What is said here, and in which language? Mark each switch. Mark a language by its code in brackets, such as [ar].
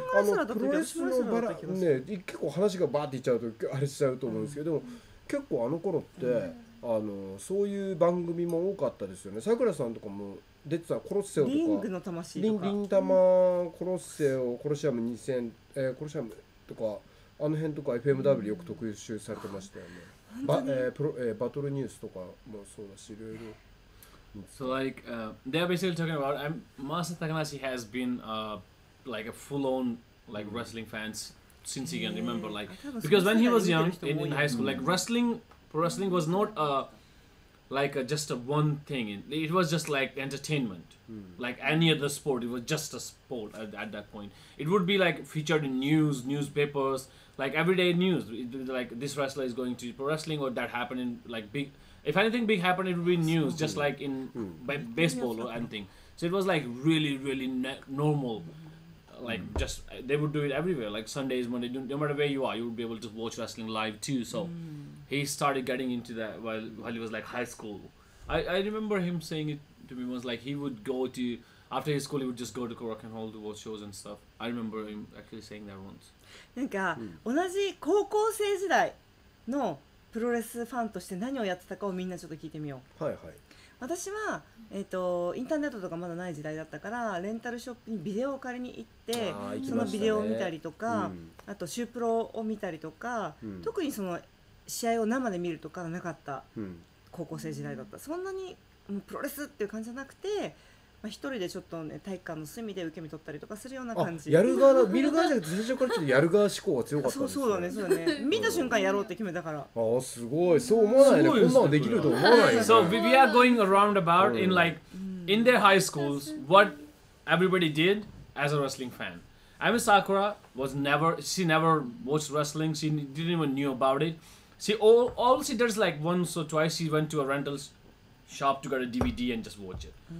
[ja] あのプロレスのバラ、ね、結構話がバーっていっちゃうとあれしちゃうと思うんですけど、うん、結構あの頃って、うん、あのそういう番組も多かったですよね。さくらさんとかも出てた、コロッセオとか、リングの魂とか、リンタマ、コロッセオ、コロシアム2000、コロシアムとか、あの辺とか FMW よく特集されてましたよね。バトルニュースとかもそうだし、いろいろ。 [en] So like, they're basically talking about, Master Takanashi has been like a full-on like wrestling fans since he can remember, like, because when he was young in high school, like wrestling was not just a one thing. It was just like entertainment, like any other sport. It was just a sport at that point. It would be like featured in newspapers, like everyday news. Like this wrestler is going to pro wrestling, or that happened in like big. If anything big happened, it would be news, just like in baseball or anything. So it was like really, really normal. Like just they would do it everywhere. Like Sundays, Monday, no matter where you are, you would be able to watch wrestling live too. So. He started getting into that while he was like high school. I remember him saying it to me once, like he would go to, after his school he would just go to Rock and Roll to watch shows and stuff. I remember him actually saying that once. [ja] なんか同じ高校生時代のプロレスファンとして何をやってたかをみんなちょっと聞いてみよう。はいはい。私は、インターネットとかまだない時代だったから、レンタルショップにビデオを借りに行って、そのビデオを見たりとか、うん、あとシュープロを見たりとか、うん、特にその試合を生で見るとかなかった高校生時代だった、うん、そんなにもうプロレスっていう感じじゃなくて、まあ、一人でちょっとね体育館の隅で受け身取ったりとかするような感じ。やる側だ見る側じゃなくて最初からちょっとやる側思考が強かったんですよ。そうだね見た瞬間やろうって決めたから。あ、すごい、そう思わないね、こんなのできると思わない [en] ね。 So we are going around about in like in their high schools, what everybody did as a wrestling fan. Ami Sakura was never, she never watched wrestling. She didn't even knew about it. She all she does like once or twice, she went to a rental shop to get a DVD and just watch it.